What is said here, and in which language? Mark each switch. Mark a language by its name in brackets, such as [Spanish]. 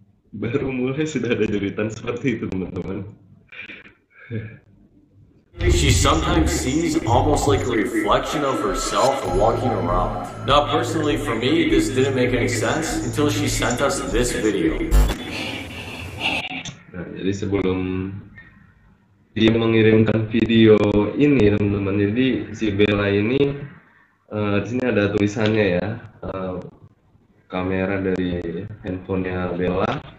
[Indonesian] Baru mulai sudah ada jeritan seperti itu teman-teman. [English] She sometimes sees almost like a reflection of herself walking around. Now personally for me this didn't make any sense until she sent us this video. [Indonesian] Nah, jadi sebelum dia mengirimkan video ini teman-teman, jadi si Bella ini di sini ada tulisannya ya, kamera dari handphonenya Bella.